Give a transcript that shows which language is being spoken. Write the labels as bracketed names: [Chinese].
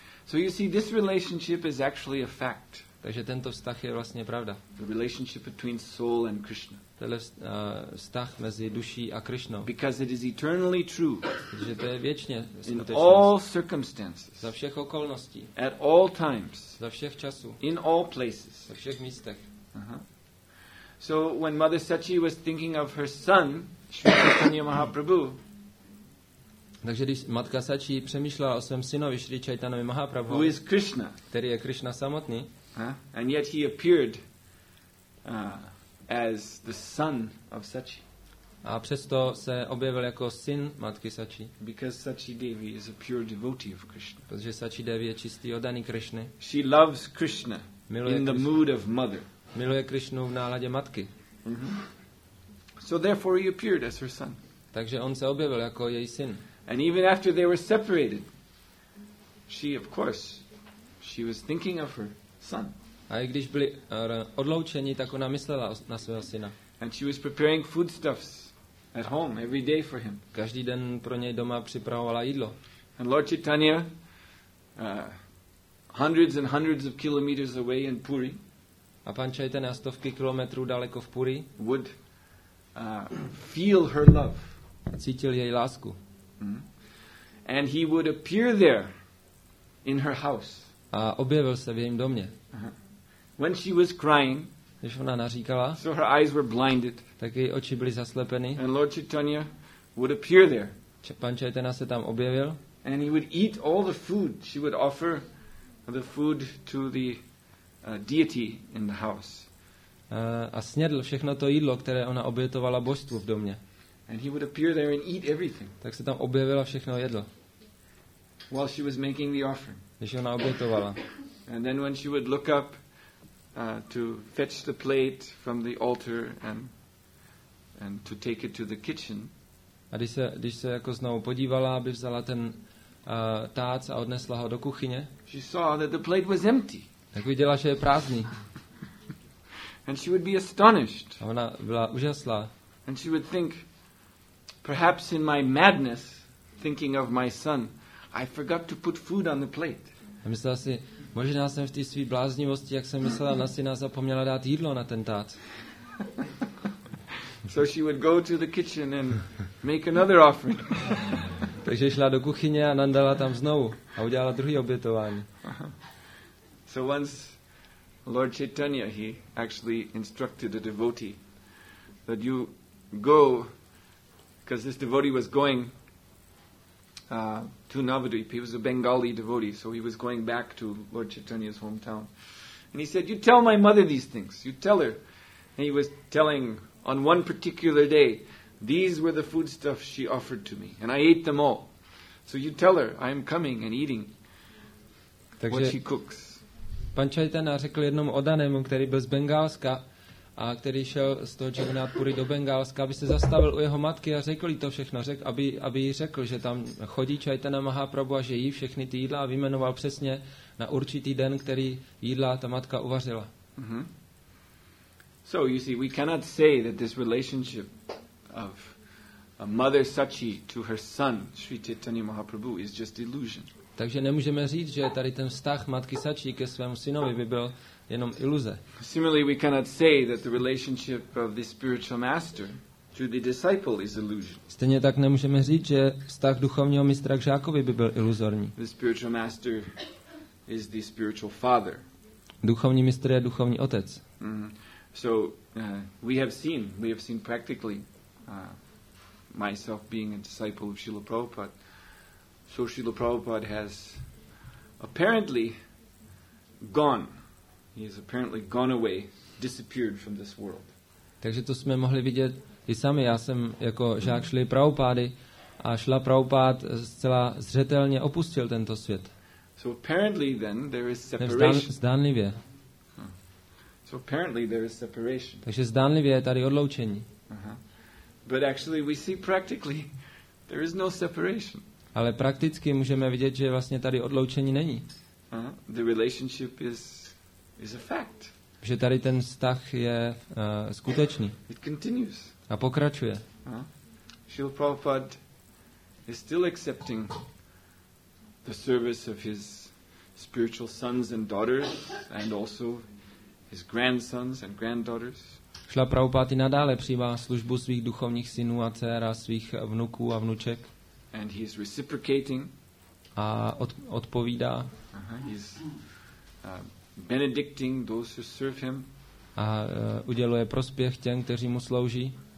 [English] So you see, this relationship is actually a fact. [Czech] Takže tento vztah je vlastně pravda. [English] The relationship between soul and Krishna. [Czech] Tento vztah mezi duší a Krishnou. [English] Because it is eternally true. [Czech] Protože to je věčně skutečnost. [English] In all circumstances. [Czech] Za všech okolností. [English] At all times. [Czech] Za všech časů. [English] In all places. [Czech] Ve všech místech. [English] So when Mother Sachi was thinking of her son, Sri Chaitanya Mahaprabhu. [Czech] Takže když matka Sachi přemýšlela o svém synovi Sri Chaitanya Mahaprabhu. [English] Who is Krishna? [Czech] Který je Krishna samotný. [English] And yet he appeared as the son of Sachi. [Czech] A přesto se objevil jako syn matky Sachi. [English] Because Sachi Devi is a pure devotee of Krishna. [Czech] Protože Sachi Devi je čistý oddaný Krishny. [English] She loves Krishna. [Czech] Miluje [English] in the Krishna. Mood of mother. [Czech] Miluje Krishnu v náladě matky. [English] So therefore he appeared as her son. [Czech] Takže on se objevil jako její syn. [English] And even after they were separated, she of course she was thinking of her son. [Czech] A i když byli odloučeni, tak ona myslela na svého syna. [English] And she was preparing foodstuffs at home every day for him. [Czech] Každý den pro něj doma připravovala jídlo. [English] And Lord Chaitanya hundreds and hundreds of kilometers away in Puri. [Czech] A pan Chaitanya stovky kilometrů daleko v Puri [English] would feel her love. [Czech] Cítil její lásku. [English] And he would appear there in her house. [Czech] A objevil se v jejím domě. [English] When she was crying, [Czech] když ona naříkala, [English] so her eyes were blinded. [Czech] Tak její oči byly zaslepeny. [English] And Lord Chaitanya would appear there. [Czech] Pan Chaitanya se tam objevil. [English] And he would eat all the food. She would offer the food to the deity in the house. [Czech] A snědl všechno to jídlo, které ona obětovala božstvu v domě. [English] And he would appear there and eat everything. [Czech] Tak se tam objevila všechno jedlo. [English] While she was making the offering. [Czech] Když ona obětovala. [English] And then when she would look up to fetch the plate from the altar and to take it to the kitchen. [Czech] A když se jako znovu podívala, aby vzala ten tác a odnesla ho do kuchyně. [English] She saw that the plate was empty. [Czech] Tak viděla, že je prázdný. [English] And she would be astonished. [Czech] A ona byla úžasná. [English] And she would think, perhaps in my madness, thinking of my son, I forgot to put food on the plate. [Czech] A myslela si, možná jsem v té své bláznivosti, jak jsem myslela na syna, zapomněla dát jídlo na ten tác. [English] So she would go to the kitchen and make another offering. [Czech] Takže šla do kuchyně a nandala tam znovu a udělala druhý obětování. [English] So once Lord Chaitanya, he actually instructed a devotee that you go, because this devotee was going to Navadvipa. He was a Bengali devotee, so he was going back to Lord Chaitanya's hometown. And he said, you tell my mother these things. You tell her. And he was telling on one particular day, these were the foodstuffs she offered to me, and I ate them all. So you tell her, I'm coming and eating what she cooks. [Czech] Pan Chaitanya řekl jednomu odanému, který byl z Bengálska a který šel z toho Jagannáthpury do Bengálska, aby se zastavil u jeho matky a řekl jí to všechno, aby jí řekl, že tam chodí Chaitanya Mahaprabhu a že jí všechny ty jídla a vyjmenoval přesně na určitý den, který jídla ta matka uvařila. [English] So you see, we cannot say that this relationship of a mother Sachi to her son, Sri Chaitanya Mahaprabhu, is just illusion. [Czech] Takže nemůžeme říct, že tady ten vztah matky Sačí ke svému synovi by byl jenom iluze. [English] Similarly, we cannot say that the relationship of the spiritual master to the disciple is illusion. [Czech] Stejně tak nemůžeme říct, že vztah duchovního mistra k žákovi by byl iluzorní. [English] The spiritual master is the spiritual father. [Czech] Duchovní mistr je duchovní otec. [English] So we have seen practically myself being a disciple of Srila Prabhupada. So Srila Prabhupada has apparently gone. He has apparently gone away, disappeared from this world. [Czech] Takže to jsme mohli vidět i sami. Já jsem jako žák Šli Prabhupády a Šla Prabhupád zcela zřetelně opustil tento svět. [English] So apparently then there is separation. [Czech] Zdánlivě. [English] So apparently there is separation. [Czech] Takže zdánlivě je tady odloučení. [English] But actually we see practically there is no separation. [Czech] Ale prakticky můžeme vidět, že vlastně tady odloučení není. [English] The relationship is a fact. [Czech] Že tady ten vztah je skutečný. [English] It continues. [Czech] A pokračuje. [English] Srila Prabhupada is still accepting the service of his spiritual sons and daughters and also his grandsons and granddaughters. [Czech] Srila Prabhupada nadále přijímá službu svých duchovních synů a dcer a svých vnuků a vnuček. [English] And he is reciprocating. [Czech] A odpovídá. [English] He's benedicting those who serve him. [Czech] A uděluje prospěch těm, kteří mu slouží.